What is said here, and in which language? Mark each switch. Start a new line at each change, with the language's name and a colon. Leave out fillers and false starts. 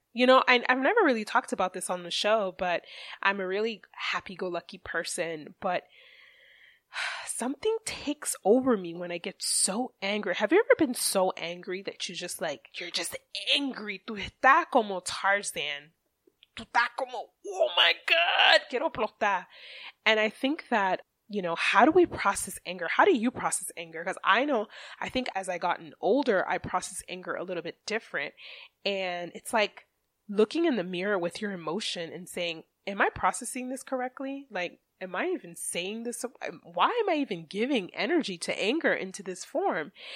English: You know, I've never really talked about this on the show, but I'm a really happy-go-lucky person, but something takes over me when I get so angry. Have you ever been so angry that you just like, you're just angry?
Spanish: Tú estás como Tarzan. Tú estás como,
English: oh my God,
Spanish: quiero explotar.
English: And I think that, you know, how do we process anger? How do you process anger? Because I think as I gotten older, I process anger a little bit different. And it's like looking in the mirror with your emotion and saying, am I processing this correctly? Like, am I even saying this? Why am I even giving energy to anger into this form?